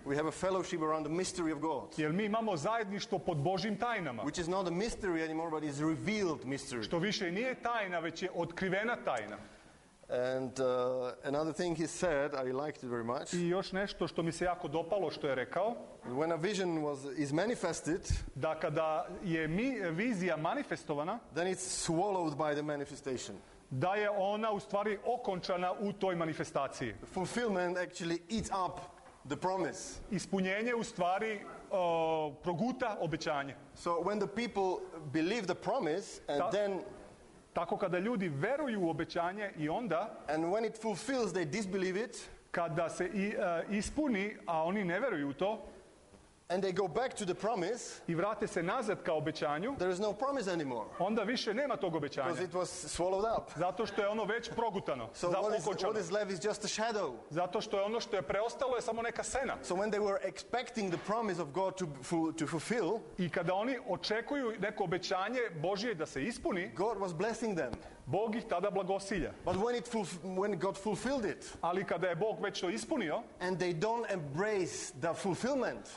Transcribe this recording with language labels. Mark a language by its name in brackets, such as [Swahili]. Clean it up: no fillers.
[English] We have a fellowship around the mystery of God. [Serbian] Jer mi imamo zajedništvo pod Božjim tajnama. [English] Which is not a mystery anymore, but is revealed mystery. [Serbian] Što više nije tajna, već je otkrivena tajna. [English] And another thing he said, I liked it very much. [Serbian] I još nešto što mi se jako dopalo što je rekao. [English] When a vision is manifested, [Serbian] da kada je vizija manifestovana, [English] then it's swallowed by the manifestation. [Serbian] Da je ona u stvari okončana u toj manifestaciji. [English] Fulfillment actually eats up the promise. [Serbian] Ispunjenje u stvari proguta obećanje. [English] So when the people believe the promise and then [Serbian] tako kada ljudi vjeruju u obećanje i onda [English] and when it fulfills they disbelieve it [Serbian] kada se ispuni a oni ne vjeruju u to [English] and they go back to the promise [Serbian] i vrate se nazad ka obećanju [English] there is no promise anymore [Serbian] onda više nema tog obećanja [English] because it was swallowed up [Serbian] zato što je ono već progutano [English] so what is left is just a shadow [Serbian] zato što je ono što je preostalo je samo neka sena [English] so when they were expecting the promise of God to fulfill [Serbian] i kada oni očekuju neko obećanje Božje da se ispuni [English] God was blessing them [Serbian] Bog ih tada blagosilja. [English] But when God fulfilled it. [Serbian] Ali kada je Bog već to ispunio. [English] And they don't embrace the fulfillment.